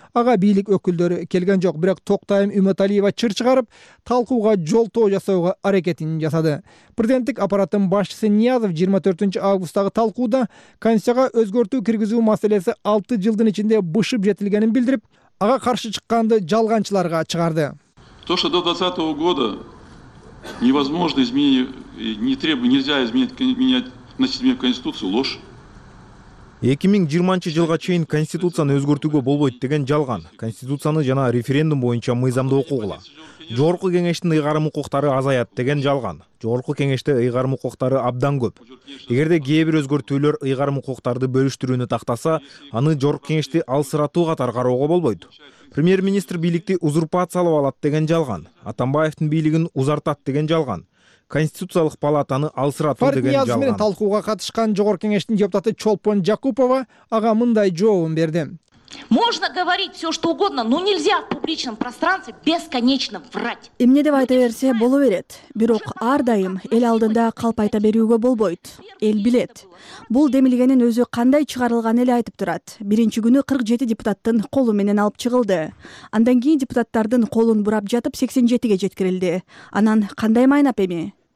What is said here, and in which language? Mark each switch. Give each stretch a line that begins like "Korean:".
Kyrgyz: Ага бийлик өкүлдөрү келген жок, бирок Токтоайым Үмөтәлиева чыр чыгарып, талкууга жолтоо жасоого аракетин жасады. Президенттик аппараттын башчысы Ниязов 24 августтагы талкууда Конституцияга өзгөртүү киргизүү маселеси 6 жылдын ичинде бышып жетилгенин билдирип, ага каршы чыкканды жалганчыларга чыгарды.
Russian: То, что до 20-го года невозможно изменить, не требует, нельзя изменить, менять, значит, менять Конституцию, ложь.
Kyrgyz: 2020 жылга чейин Конституцияны өзгөртүүгө болбойт деген жалган. Конституцияны жана референдум боюнча мыйзамды окугула. Жогорку кеңештин ыйгарым укуктары азаят деген жалган. Жогорку кеңеште ыйгарым укуктары абдан көп. Эгерде кээ бир өзгөртүүлөр ыйгарым укуктарды бөлүштүрүүнү тактаса, аны жогорку кеңешти алсыратуу катары кароого болбойт. Премьер-министр бийликти узурпациялап алат деген жалган. Атамбаевдин бийлигин узартат деген жалган. Конституциялык палатаны алсыратуу деген жалган. Фарид Ниязов менен талкууга катышкан жогорку кеңештин депутаты Чолпон Жакупова ага мындай жообун берди.
Russian: Можно говорить все, что угодно, но нельзя в публичном пространстве бесконечно врать.
Kyrgyz: Эмне деп айта берсе боло берет. Бирок ар дайым эл алдында калп айта берүүгө болбойт. Эл билет. Бул демилгенин өзү кандай чыгарылган эле айтып турат. Биринчи күнү 47 депутаттын колу менен алып чыгылды. Андан кийин депутаттардын колун бурап жатып 87 жеткирилди. Анан кандай майнап эми?